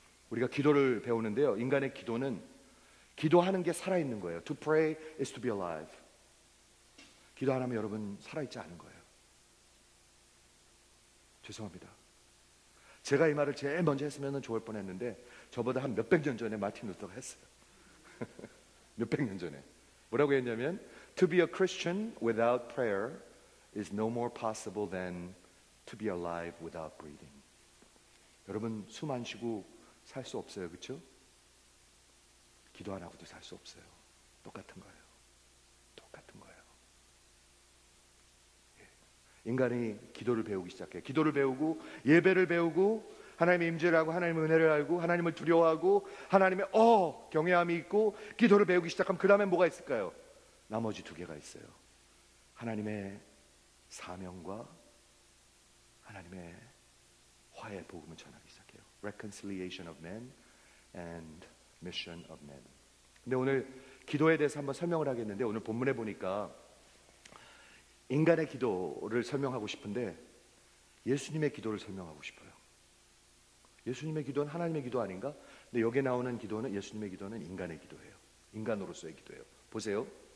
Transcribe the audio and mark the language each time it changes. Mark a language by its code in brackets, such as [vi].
[ko] 우리가 기도를 배우는데요. 인간의 기도는 기도하는 게 살아있는 거예요. [en] To pray is to be alive. [ko] 기도 안 하면 여러분 살아있지 않은 거예요. 죄송합니다. 제가 이 말을 제일 먼저 했으면 좋을 뻔했는데 저보다 한 몇백 년 전에 마틴 루터가 했어요. 몇백 년 전에 뭐라고 했냐면 [en] To be a Christian without prayer is no more possible than to be alive without breathing. [ko] 여러분 숨 안 쉬고 살 수 없어요. 그렇죠? 기도 안 하고도 살 수 없어요. 똑같은 거예요. 똑같은 거예요. 인간이 기도를 배우기 시작해요. 기도를 배우고 예배를 배우고 하나님의 임재를 알고 하나님의 은혜를 알고 하나님을 두려워하고 하나님의 경외함이 있고 기도를 배우기 시작하면 그 다음에 뭐가 있을까요? 나머지 두 개가 있어요. 하나님의 사명과 하나님의 화해 복음을 전하기 시작해요. [en] Reconciliation of men and mission of men. [ko] 근데 오늘 기도에 대해서 한번 설명을 하겠는데 오늘 본문에 보니까 인간의 기도를 설명하고 싶은데 예수님의 기도를 설명하고 싶어요. 예수님의 기도는 하나님의 기도 아닌가? 근데 여기 나오는 기도는 예수님의 기도는 인간의 기도예요. 인간으로서의 기도예요. 보세요.